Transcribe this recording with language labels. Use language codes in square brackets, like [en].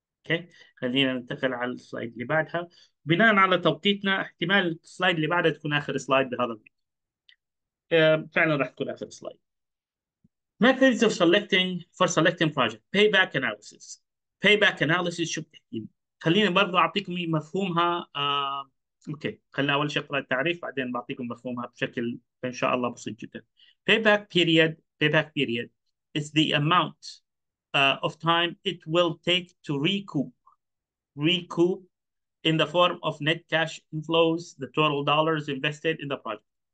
[ar] اوكي، خلينا ننتقل على السلايد اللي بعدها. بناء على توقيتنا احتمال السلايد اللي بعدها تكون اخر سلايد بهذا الفيديو. فعلا راح تكون اخر سلايد. [en] Methods of selecting for selecting project. Payback analysis. [ar] Payback analysis شو بتحكي؟ خليني برضه اعطيكم مفهومها. اوكي، خلينا اول شيء اقرا التعريف بعدين بعطيكم مفهومها بشكل ان شاء الله بسيط جدا. [en] Payback period is the amount of time it will take to recoup in the form of net cash inflows, the total dollars invested in the project.